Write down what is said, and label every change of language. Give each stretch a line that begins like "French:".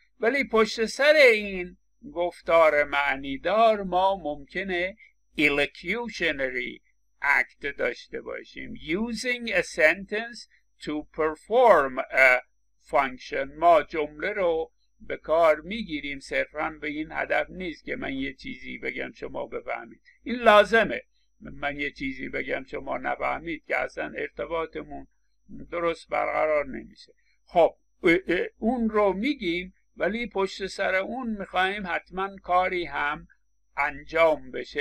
Persian: ولی پشت سر این گفتار معنیدار ما ممکنه elocutionary act داشته باشیم.
English: Using a sentence to perform a function.
Persian: ما جمله رو به کار میگیریم، صرفا به این هدف نیست که من یه چیزی بگم شما بفهمید. این لازمه، من یه چیزی بگم شما نفهمید که اصلا ارتباطمون درست برقرار نمیشه. خب اون رو میگیم، ولی پشت سر اون میخواییم حتما کاری هم انجام بشه.